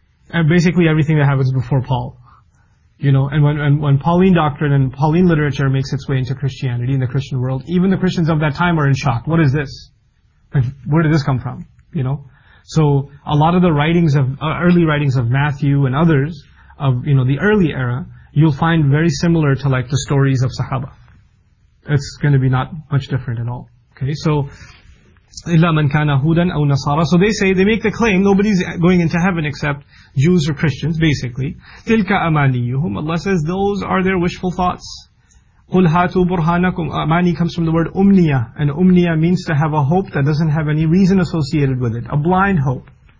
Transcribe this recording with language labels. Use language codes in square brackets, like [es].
[en] And basically everything that happens before Paul. And when Pauline doctrine and Pauline literature makes its way into Christianity, in the Christian world, even the Christians of that time are in shock. What is this? Where did this come from? So a lot of the writings of, early writings of Matthew and others, of, the early era, you'll find very similar to like the stories of Sahaba. It's going to be not much different at all. Okay, so [ar] إلا من كان هودا أو نصارى. [en] So they say, they make the claim, nobody's going into heaven except Jews or Christians, basically. [ar] تلك أمانيهم. [en] Allah says, those are their wishful thoughts. [ar] قل هاتوا برهانكم. [en] أماني comes from the word أمنية. And أمنية means to have a hope that doesn't have any reason associated with it. A blind hope.